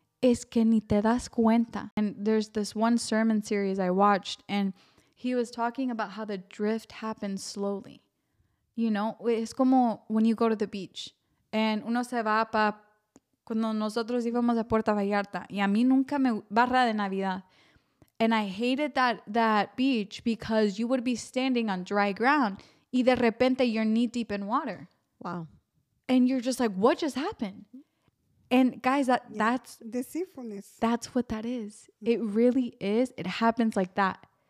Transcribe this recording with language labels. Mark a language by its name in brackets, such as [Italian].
[English] Es que ni te das cuenta. And there's this one sermon series I watched, and he was talking about how the drift happens slowly. You know, it's como when you go to the beach. And uno se va pa... [Spanish] Cuando nosotros íbamos a Puerto Vallarta. Y a mí nunca me... Barra de Navidad. [English] And I hated that beach because you would be standing on dry ground. Y de repente you're knee deep in water. Wow. And you're just like, what just happened? And guys, that's... Deceitfulness. That's what that is. Mm-hmm. It really is. It happens like that.